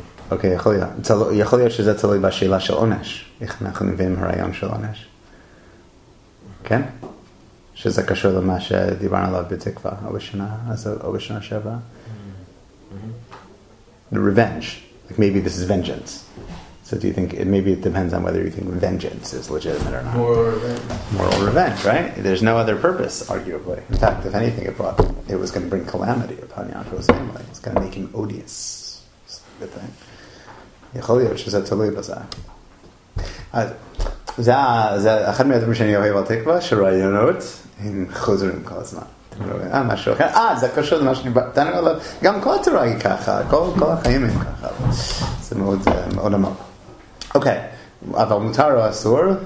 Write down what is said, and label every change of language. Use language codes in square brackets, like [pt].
[he] אוקיי, יכול להיות. יכול להיות שזה תלוי בשאלה של עונש. איך אנחנו מבינים הרעיון של עונש? כן? שזה קשור למה שדיברנו עליו בתקווה, או בשנה, אז או בשנה שעברה. [en] The revenge, like maybe this is vengeance. So do you think, it, maybe it depends on whether you think vengeance is legitimate or not. Moral revenge, right? There's no other purpose, arguably. In fact, if anything, it was going to bring calamity upon Yaakov's family. It's going to make him odious. It's a good thing. [he] יכול להיות שזה תלוי בזה. אז זה אחד מהדברים שאני אוהב על תקווה, שרעיונות הם חוזרים כל הזמן. משהו אחר. זה קשור למה שאני דנו עליו. גם כל התורה היא ככה, כל החיים הם ככה. זה מאוד מאוד עמוק. אוקיי, אבל מותר או אסור?